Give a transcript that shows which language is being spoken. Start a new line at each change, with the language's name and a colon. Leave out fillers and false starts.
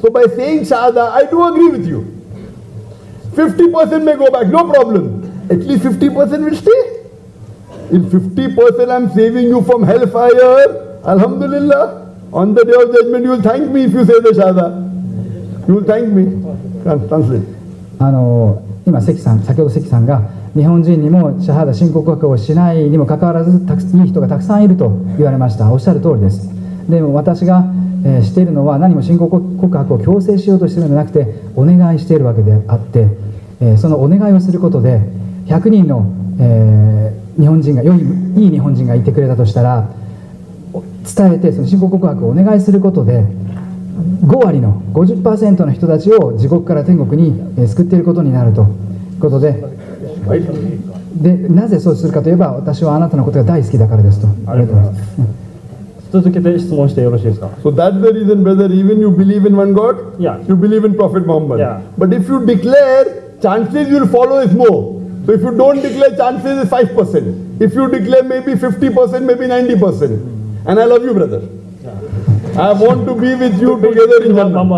English: So by saying Shahada, I do agree with you. 50% may go back, no problem. At least 50% will stay. If 50% I'm saving you from hellfire, Alhamdulillah, on the day of judgment, you will thank me if you say the Shahada. You will thank me. Translate.
Japanese: あの今関さん先ほど関さんが日本人にもシャハダ申告枠をしないにもかかわらずいい人がたくさんいると言われました。おっしゃる通りです。でも私が、しているのは何も申告告白を強制しようとしているのではなくてお願いしているわけであって、そのお願いをすることで100人の、日本人が良いいい日本人がいてくれたとしたら伝えてその申告告白をお願いすることで5割の 50% の人たちを地獄から天国に救っていることになるということで、でなぜそうするかといえば私はあなたのことが大好きだからですと。ありがとうございます。続けて質問してよろしいですか。
English: So that's the reason, brother, even you believe in one God? Yeah. You believe in Prophet Muhammad? Yeah. But if you declare, chances you'll follow is more. So if you don't declare, chances is 5%. If you declare, maybe 50%, maybe 90%. And I love you, brother. I want to be with you together in Jannah.